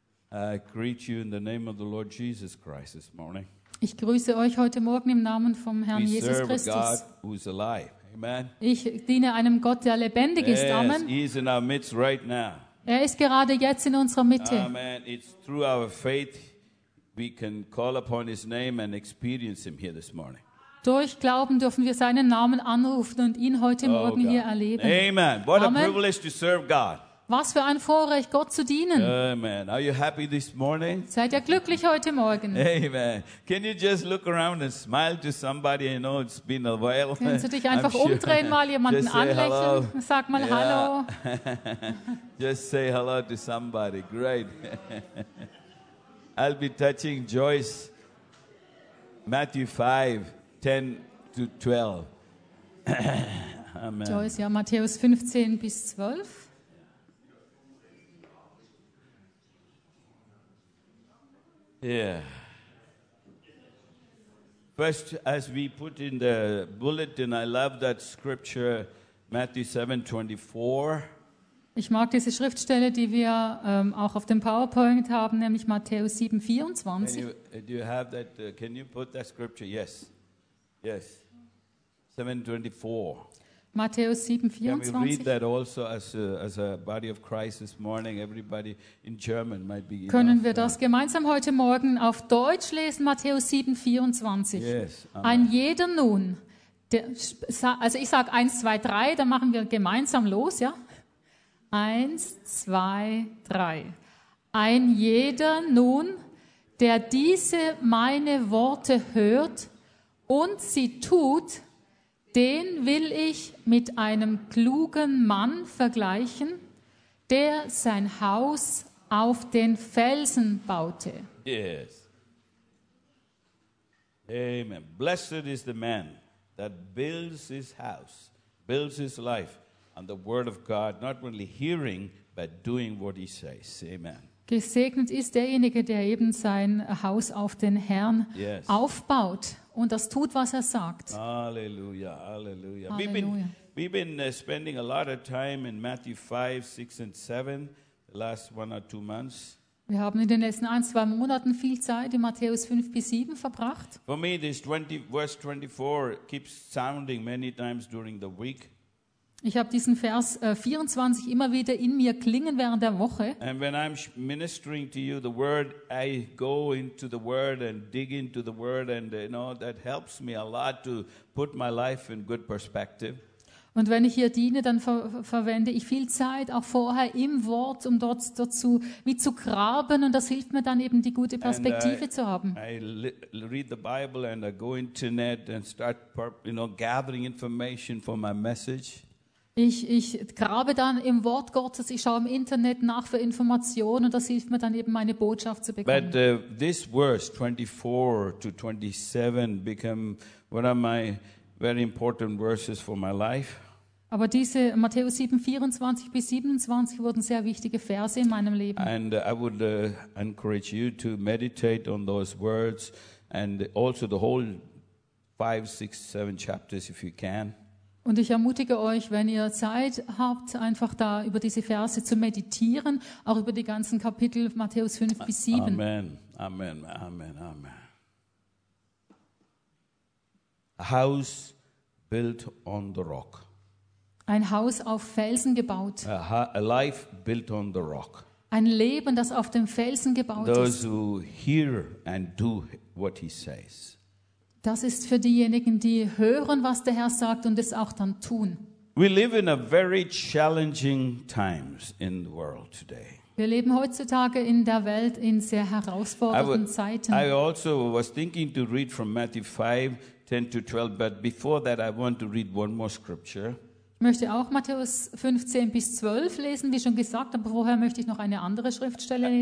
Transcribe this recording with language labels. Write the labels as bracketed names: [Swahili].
[English] I greet you in the name of the Lord Jesus Christ this morning. [German] Ich grüße euch heute Morgen im Namen vom Herrn [English] we [German] Jesus Christus. [English] A God who's alive. Amen. [German] Ich diene einem Gott, der lebendig ist. Amen. [English] He is in our midst right now. [German] Er ist gerade jetzt in unserer Mitte. [English] Amen. It's through our faith we can call upon his name and experience him here this morning. [German] Durch Glauben dürfen wir seinen Namen anrufen und ihn heute Morgen hier erleben. [English] Amen. What a privilege to serve God. [German] Was für ein Vorrecht, Gott zu dienen. [English] Amen. Are you happy this morning? [German] Seid ihr glücklich heute Morgen? [English] Amen. Can you just look around and smile to somebody? You know, it's been a while. [German] Kannst du dich einfach umdrehen, mal jemanden anlächeln? Sag mal hallo. [English] Just say hello to somebody. Great. I'll be touching Joyce, Matthew 5:10-12. [German] Amen. Joyce, ja, Matthäus 15 bis 12. [English] Yeah. First, as we put in the bulletin, I love that scripture, Matthew 7:24. [German] Ich mag diese Schriftstelle, die wir auch auf dem PowerPoint haben, nämlich Matthäus 7:24. [English] Do you have that? Can you put that scripture? Yes. Yes. 7:24. [German] Matthäus 7:24. [English] Can we read that also as a body of Christ this morning? Everybody in German might be. [German] Können wir das gemeinsam heute Morgen auf Deutsch lesen? Matthäus 7:24. [English] Yes. [German] Ein jeder nun, also ich sage 1, 2, 3, dann machen wir gemeinsam los, ja? 1, 2, 3. Ein jeder nun, der diese meine Worte hört und sie tut, den will ich mit einem klugen Mann vergleichen, der sein Haus auf den Felsen baute. [English] Yes. Amen. Blessed is the man that builds his house, builds his life on the word of God, not only hearing, but doing what he says. Amen. [German] Gesegnet ist derjenige, der eben sein Haus auf den Herrn aufbaut und das tut, was er sagt. Halleluja, halleluja. [English] We've been spending a lot of time in Matthew 5, 6 and 7, the last one or two months. [German] Wir haben in den letzten ein, zwei Monaten viel Zeit in Matthäus 5 bis 7 verbracht. [English] For me, this verse 24 keeps sounding many times during the week. [German] Ich habe diesen Vers 24 immer wieder in mir klingen während der Woche. [English] And when I'm ministering to you the word, I go into the word and dig into the word and you know that helps me a lot to put my life in good perspective. [German] Und wenn ich hier diene, dann verwende ich viel Zeit auch vorher im Wort, um dort dazu wie zu graben und das hilft mir dann eben die gute Perspektive zu haben. [English] I read the Bible and I go internet and start you know gathering information for my message. [German] Ich grabe dann im Wort Gottes, ich schaue im Internet nach für Informationen und das hilft mir dann eben meine Botschaft zu bekommen. [English] But this verse 24 to 27 become one of my very important verses for my life. [German] Aber diese Matthäus 7, 24 bis 27 wurden sehr wichtige Verse in meinem Leben. [English] And I would encourage you to meditate on those words and also the whole 5, 6, 7 chapters if you can. [German] Und ich ermutige euch, wenn ihr Zeit habt, einfach da über diese Verse zu meditieren, auch über die ganzen Kapitel Matthäus 5 bis 7. [English] Amen, amen, amen, amen. A house built on the rock. [German] Ein Haus auf Felsen gebaut. [English] A life built on the rock. [German] Ein Leben, das auf dem Felsen gebaut [English] those [German] ist. [English] Those who hear and do what he says. [German] Das ist für diejenigen, die hören, was der Herr sagt und es auch dann tun. [English] We live in a very challenging times in the world today. [German] Wir leben heutzutage in der Welt in sehr herausfordernden Zeiten. [English] I also was thinking to read from Matthew 5:10-12, but before that I want to read one more scripture. [German] Ich möchte auch Matthäus 15 bis 12 lesen, wie schon gesagt, aber vorher möchte ich noch eine andere Schriftstelle lesen.